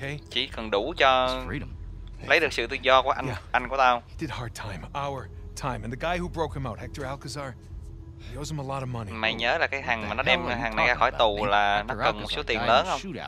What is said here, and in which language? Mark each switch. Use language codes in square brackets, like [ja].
[vi] Chỉ cần đủ cho lấy được sự tự do của anh của tao. [en] He did hard time, our time, and the guy who broke him out, Hector Alcazar. [vi] Mày nhớ là cái thằng mà nó đem thằng này ra khỏi tù là nó cần một số tiền lớn không?